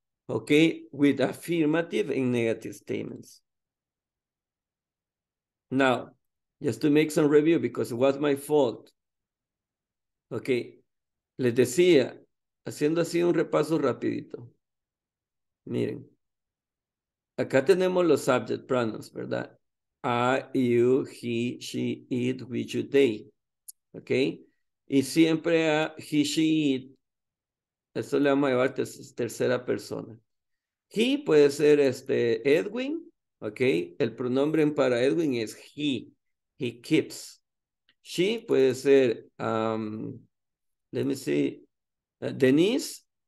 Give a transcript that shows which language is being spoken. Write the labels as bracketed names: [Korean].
[English] Okay, with affirmative and negative statements. Now, just to make some review, because it was my fault. [Spanish] Okay, les decía, haciendo así un repaso rapidito. Miren, acá tenemos los subject pronouns, ¿verdad? [English] I, you, he, she, it, we, you, they. [Spanish] Okay, y siempre a he, she, it, eso le vamos a llevar tercera persona. He puede ser Edwin, ¿ok? El pronombre para Edwin es he. [English] He keeps. She [Spanish] puede ser, [English] let me see, Denise.